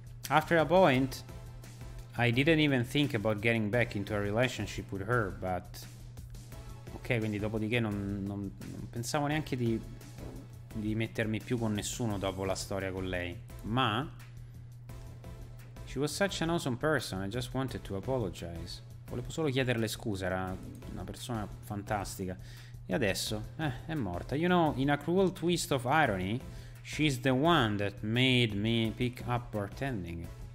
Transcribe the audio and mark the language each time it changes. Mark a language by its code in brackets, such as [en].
[en] After a point I didn't even think about getting back into a relationship with her, but... [it] Ok, quindi dopodiché non pensavo neanche di mettermi più con nessuno dopo la storia con lei. Ma... [en] She was such an awesome person, I just wanted to apologize. [it] Volevo solo chiederle scusa, era una persona fantastica. E adesso? È morta. [en] You know, in a cruel twist of irony, she's the one that made me pick up bartending.